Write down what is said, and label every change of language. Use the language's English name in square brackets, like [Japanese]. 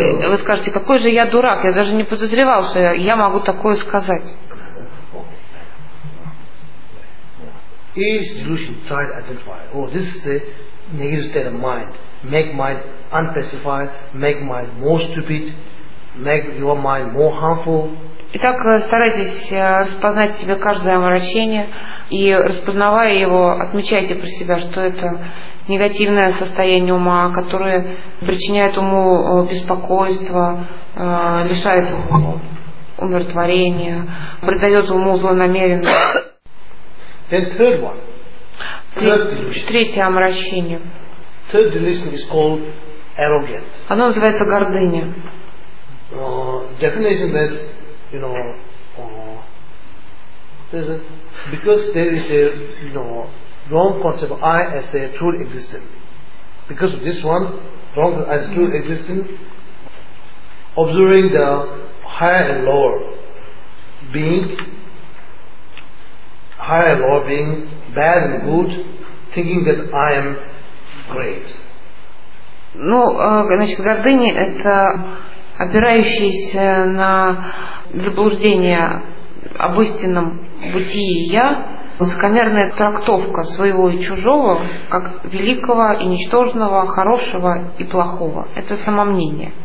[Russian] Вы скажете: какой же я дурак, я даже не подозревал, что я могу такое сказать. [English] Each delusion try to identify. Oh, this is the negative state of mind. Make mind unpacified, make mind more stupid, make your mind more harmful. [Russian] Итак, старайтесь распознать в себе каждое омрачение и, распознавая его, отмечайте про себя, что это негативное состояние ума, которое причиняет уму беспокойство, лишает умиротворения, придает уму злонамеренность. [English] Then third one. [Russian] Третье омрачение. [English] Third delusion is called arrogant. [Russian] Оно называется гордыня. [English] Definition that, you know, because there is a, you know, wrong concept of I as a true existence. Because of this one, wrong as true existence, observing the higher and lower being. Higher and lower being, bad and good, thinking that I am great. [Russian] Ну, значит, гордыня – это опирающееся на заблуждение об истинном бытии «я», высокомерная трактовка своего и чужого как великого и ничтожного, хорошего и плохого. Это самомнение.